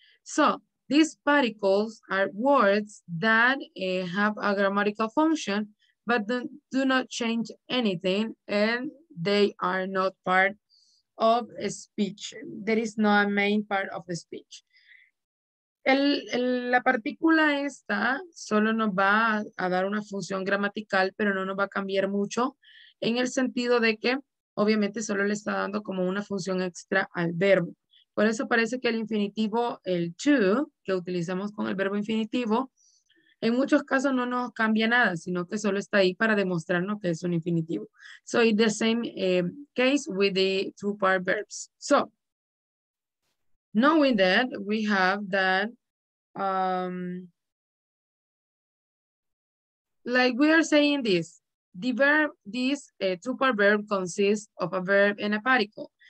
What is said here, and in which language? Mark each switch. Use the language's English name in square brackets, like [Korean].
[English] So these particles are words that have a grammatical function, but do not change anything and they are not part of a speech. There is not a main part of the speech. [Spanish] La partícula esta solo nos va a dar una función gramatical, pero no nos va a cambiar mucho en el sentido de que obviamente solo le está dando como una función extra al verbo. Por eso parece que el infinitivo, el to, que utilizamos con el verbo infinitivo, en muchos casos no nos cambia nada, sino que solo está ahí para demostrarnos que es un infinitivo. [English] So it's the same case with the two-part verbs. So, knowing that, we have that, like we are saying this, the verb, this two-part verb consists of a verb and a particle.